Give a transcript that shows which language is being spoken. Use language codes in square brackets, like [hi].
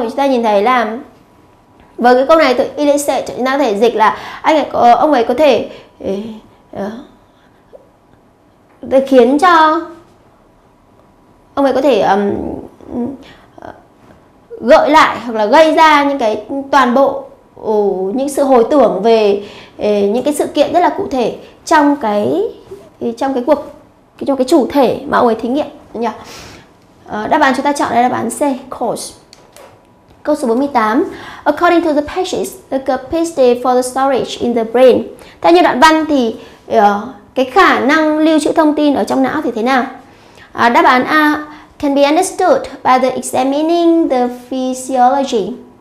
[vi] Chúng ta nhìn thấy là với cái câu này từ illicit chúng ta có thể dịch là ông ấy có thể khiến cho ông ấy có thể gợi lại hoặc là gây ra những cái toàn bộ những sự hồi tưởng về những cái sự kiện rất là cụ thể trong cái thì trong cái cuộc, trong cái chủ thể mà ông ấy thí nghiệm nhỉ. Đáp án chúng ta chọn là đáp án C, course. Câu số 48. [en] According to the passages, the capacity for the storage in the brain. [vi] Theo như đoạn văn thì cái khả năng lưu trữ thông tin ở trong não thì thế nào? Đáp án A [en] can be understood by the examining the physiology.